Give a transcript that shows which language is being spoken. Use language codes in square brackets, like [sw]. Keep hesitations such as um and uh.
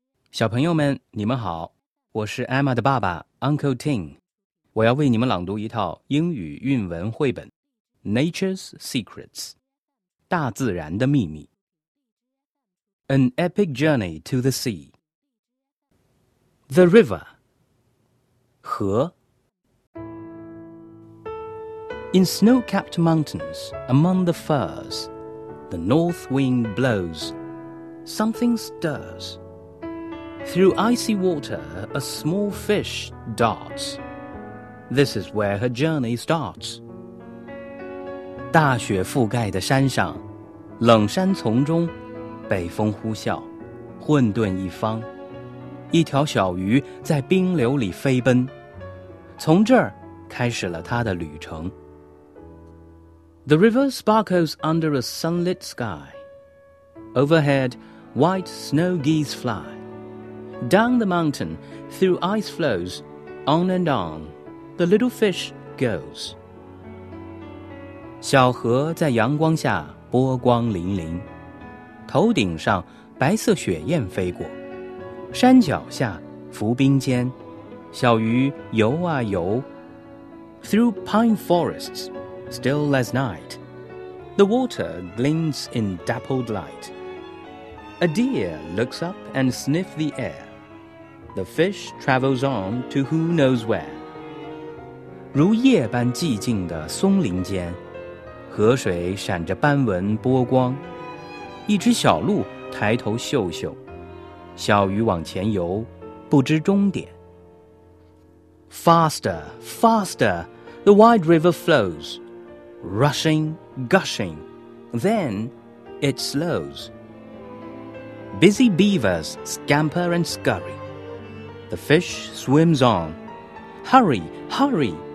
[zh] 小朋友们，你们好，我是 Emma 的爸爸 Uncle Tim，我要为你们朗读一套英语韵文绘本《Nature's Secrets》（大自然的秘密）。 [en] An epic journey to the sea. The river. 河。 In snow-capped mountains, among the firs, the north wind blows. Something stirs. Through icy water, a small fish darts. This is where her journey starts. [zh] 大雪覆盖的山上，冷山丛中，北风呼啸，混沌一方。一条小鱼在冰流里飞奔，从这儿开始了它的旅程。 [en] The river sparkles under a sunlit sky. Overhead, white snow geese fly. Down the mountain, through ice floes, on and on, the little fish goes. [zh] 小河在阳光下波光粼粼，头顶上白色雪燕飞过，山脚下浮冰间，小鱼游啊游。 [en] Through pine forests, still as night, the water glints in dappled light. A deer looks up and sniffs the air. The fish travels on to who knows where. [zh] 如夜般寂静的松林间，河水闪着斑纹波光。一只小鹿抬头嗅嗅，小鱼往前游，不知终点。 [en] Faster, faster, the wide river flows, rushing, gushing. Then it slows. Busy beavers scamper and scurry. The fish swims on. Hurry, hurry!